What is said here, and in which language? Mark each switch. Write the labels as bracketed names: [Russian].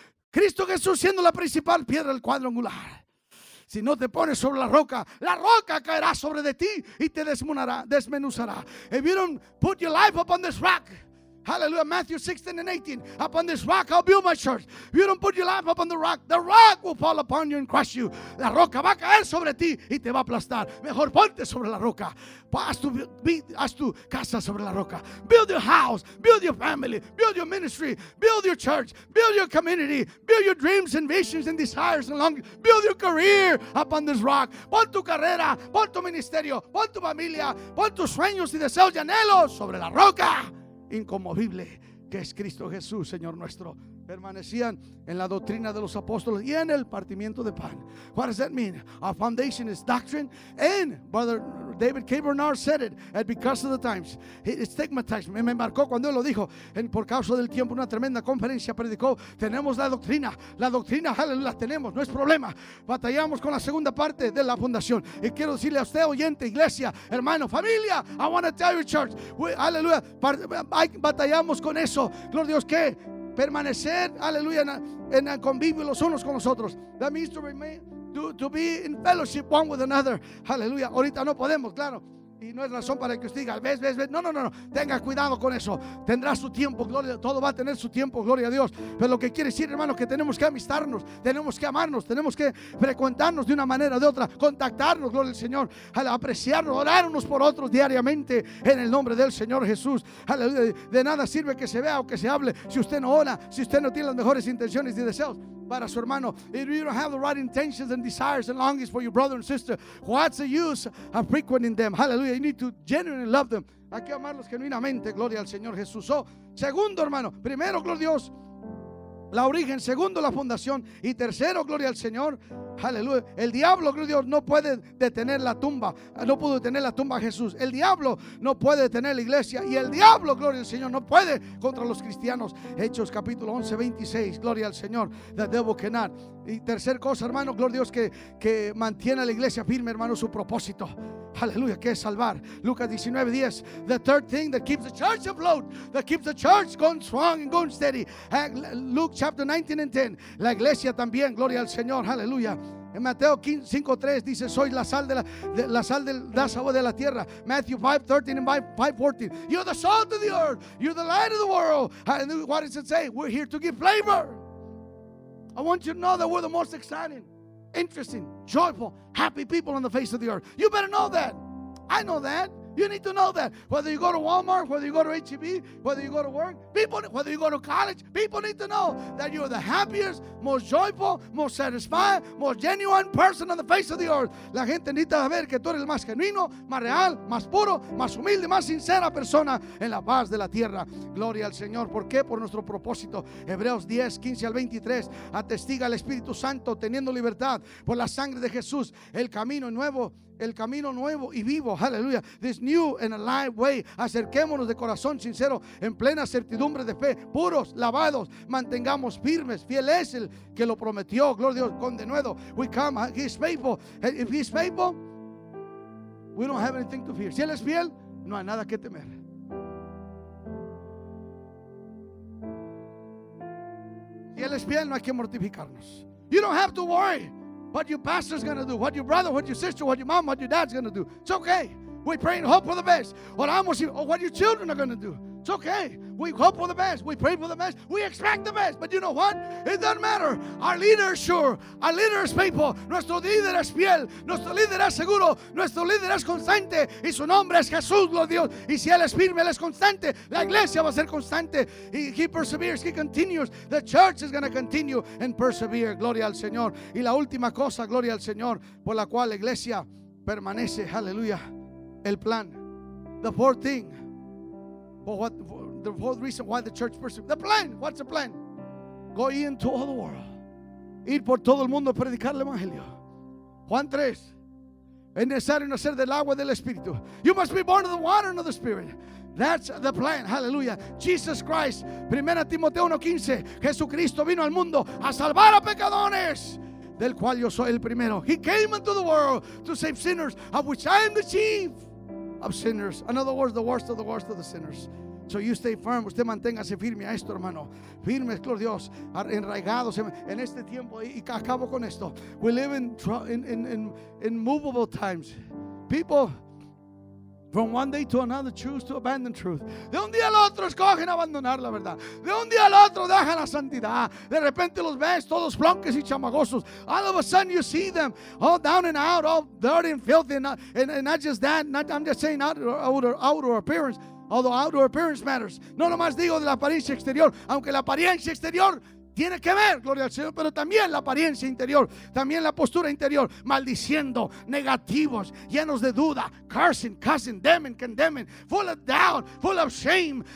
[Spanish] Cristo Jesús siendo la principal piedra del cuadro angular. Si no te pones sobre la roca caerá sobre de ti y te desmenuzará. [English] If you don't put your life upon this rock, hallelujah, Matthew 16 and 18, upon this rock I'll build my church. If you don't put your life upon the rock will fall upon you and crush you. [Spanish] La roca va a caer sobre ti y te va a aplastar. Mejor ponte sobre la roca. Haz tu casa sobre la roca. [English] Build your house, build your family, build your ministry, build your church, build your community, build your dreams and visions and desires and longings. Build your career upon this rock. [Spanish] Pon tu carrera, pon tu ministerio, pon tu familia, pon tus sueños y deseos y anhelos sobre la roca inconmovible que es Cristo Jesús, Señor nuestro. Permanecían en la doctrina de los apóstoles y en el partimiento de pan. [English] What does that mean? Our foundation is doctrine. And Brother David K. Bernard said it, and because of the times, it stigmatized me. [Spanish] Me marcó cuando él lo dijo. En por causa del tiempo, una tremenda conferencia predicó. Tenemos la doctrina. La doctrina, la tenemos. No es problema. Batallamos con la segunda parte de la fundación. Y quiero decirle a usted, oyente, iglesia, hermano, familia, [English] I want to tell you, church. [Spanish] Aleluya. Batallamos con eso. Gloria a Dios, ¿qué? Permanecer, aleluya, en el convivio los unos con los otros. [English] That means to remain, to be in fellowship one with another. [Spanish] Aleluya. Ahorita no podemos, claro. Y no es razón para que usted diga, ves. No. Tenga cuidado con eso. Tendrá su tiempo, gloria. Todo va a tener su tiempo, gloria a Dios. Pero lo que quiere decir, hermano, que tenemos que amistarnos, tenemos que amarnos, tenemos que frecuentarnos de una manera o de otra, contactarnos, gloria al Señor, apreciarnos, orar unos por otros diariamente en el nombre del Señor Jesús. Aleluya. De nada sirve que se vea o que se hable si usted no ora, si usted no tiene las mejores intenciones y deseos para su hermano. [English] If you don't have the right intentions and desires and longings for your brother and sister, what's the use of frequenting them? [Spanish] Hallelujah. [English] You need to genuinely love them. [Spanish] Hay que amarlos genuinamente. Gloria al Señor Jesús. So, segundo, hermano. Primero, gloria a Dios, la origen. Segundo, la fundación. Y tercero, gloria al Señor. Hallelujah. El diablo, gloria a Dios, no puede detener la tumba. No pudo detener la tumba a Jesús. El diablo no puede detener la iglesia. Y el diablo, gloria al Señor, no puede contra los cristianos. Hechos capítulo 11, 26. Gloria al Señor. [English] The devil cannot. [Spanish] Y tercer cosa, hermano, gloria a Dios, que mantiene a la iglesia firme, hermano, su propósito. Aleluya, que es salvar. Lucas 19, 10. [English] The third thing that keeps the church afloat, that keeps the church going strong and going steady. Luke chapter 19 and 10. [Spanish] La iglesia también, gloria al Señor, aleluya. En Mateo 5, 3 dice, soy la sal de la sabor de la tierra. [English] Matthew 5, 13 and 5, 14. You're the salt of the earth. You're the light of the world. And what does it say? We're here to give flavor. I want you to know that we're the most exciting, interesting, joyful, happy people on the face of the earth. You better know that. I know that. You need to know that. Whether you go to Walmart, whether you go to HEB, whether you go to work, people, whether you go to college, people need to know that you are the happiest, most joyful, most satisfied, most genuine person on the face of the earth. [Spanish] La gente necesita saber que tú eres el más genuino, más real, más puro, más humilde, más sincera persona en la paz de la tierra. Gloria al Señor. ¿Por qué? Por nuestro propósito. Hebreos 10, 15 al 23. Atestiga al Espíritu Santo teniendo libertad por la sangre de Jesús. El camino nuevo y vivo, aleluya, [English] this new and alive way. [Spanish] Acerquémonos de corazón sincero, en plena certidumbre de fe, puros, lavados, mantengamos firmes, fiel es el que lo prometió, gloria a Dios, con denuedo. [English] We come, he's faithful. If he's faithful, we don't have anything to fear. [Spanish] Si él es fiel, no hay nada que temer. Si él es fiel, no hay que mortificarnos. [English] You don't have to worry what your pastor's going to do, what your brother, what your sister, what your mom, what your dad's going to do. It's okay. We pray and hope for the best. [Spanish] Oramos y, [English] or what your children are going to do. It's okay. We hope for the best. We pray for the best. We expect the best. But you know what? It doesn't matter. Our leader is sure. Our leader is faithful. [Spanish] Nuestro líder es fiel. Nuestro líder es seguro. Nuestro líder es constante. Y su nombre es Jesús, gloria a Dios. Y si él es firme, él es constante. La iglesia va a ser constante. [English] He perseveres. He continues. The church is going to continue and persevere. [Spanish] Gloria al Señor. Y la última cosa, gloria al Señor, por la cual la iglesia permanece. Aleluya. El plan. [English] The fourth thing. But what the whole reason why the church persevered? The plan. What's the plan? Go into all the world. [Spanish] Ir por todo el mundo a predicar el evangelio. Juan 3. Es necesario nacer del agua del espíritu. [English] You must be born of the water and of the spirit. That's the plan. Hallelujah. Jesus Christ. 1 Timoteo 1:15. [Spanish] Jesucristo vino al mundo a salvar a pecadores. Del cual yo soy el primero. [English] He came into the world to save sinners, of which I am the chief. Of sinners, in other words, the worst of the worst of the sinners. So you stay firm. [Spanish] Usted manténgase firme a esto, hermano. Firmes, gloria a Dios, enraigados en este tiempo. Y acabo con esto. [English] We live in movable times. People from one day to another choose to abandon truth. [Spanish] De un día al otro escogen abandonar la verdad. De un día al otro dejan la santidad. De repente los ves todos flonques y chamagosos. [English] All of a sudden you see them all down and out, all dirty and filthy. And not just that, not, I'm just saying outer appearance. Although outer appearance matters. [Spanish] No nomás digo de la apariencia exterior. Aunque la apariencia exterior tiene que ver, gloria al Señor, pero también la apariencia interior, también la postura interior, maldiciendo, negativos, llenos de duda, [English] cursing, condemning, full of doubt, full of shame.